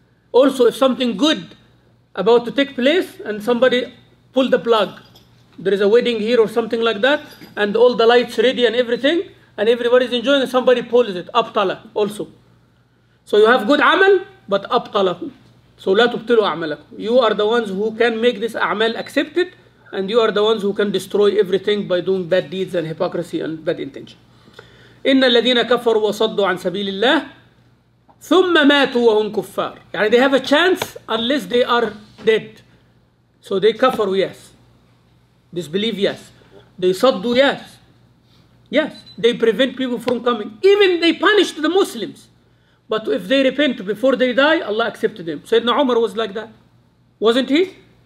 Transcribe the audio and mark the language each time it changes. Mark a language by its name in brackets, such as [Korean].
[English] Also, if something good about to take place and somebody pull the plug, there is a wedding here or something like that, and all the lights ready and everything, and everybody is enjoying, and somebody pulls it. Abtala also. So you have good amal, but abtalahu. [Arabic] So لا تبطلوا أعمالكم. [English] You are the ones who can make this أعمال accepted, and you are the ones who can destroy everything by doing bad deeds and hypocrisy and bad intention. [Arabic] إن الذين كفروا وصدوا عن سبيل الله ثم ماتوا وهم كفار. [English] يعني they have a chance unless they are dead. So they كفروا, yes. Disbelieve, yes. They صدوا, yes. Yes, they prevent people from coming. Even they punished the Muslims. But if they repent before they die, Allah accepted them. Sayyidina Umar was like that. Wasn't he?